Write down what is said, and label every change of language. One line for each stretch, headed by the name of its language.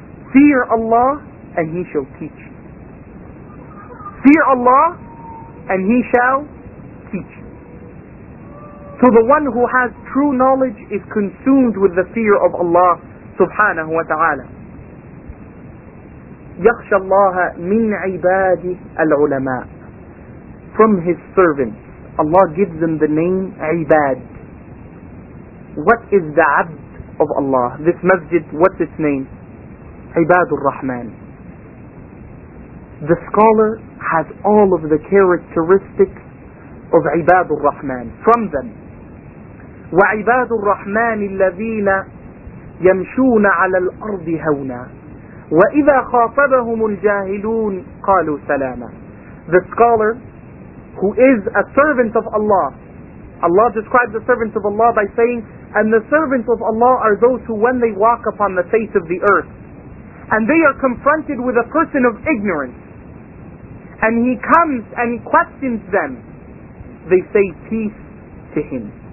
English: Fear Allah and He shall teach you. Fear Allah and He shall teach you. So the one who has true knowledge is consumed with the fear of Allah subhanahu wa ta'ala.
Arabic: يخشى الله من عباده العلماء.
English: From His servants. Allah gives them the name عباد. What is the عبد of Allah? This masjid, what's its name?
Arabic: عباد الرحمن.
English: The scholar has all of the characteristics of عباد الرحمن. From them.
Arabic: وعباد الرحمن الذين يمشون على الأرض هونا وَإِذَا خَاطَبَهُمُ الْجَاهِلُونَ قَالُوا سَلَامًا.
English: The scholar who is a servant of Allah. Allah describes the servants of Allah by saying, and the servants of Allah are those who, when they walk upon the face of the earth, and they are confronted with a person of ignorance, and he comes and he questions them, they say peace to him.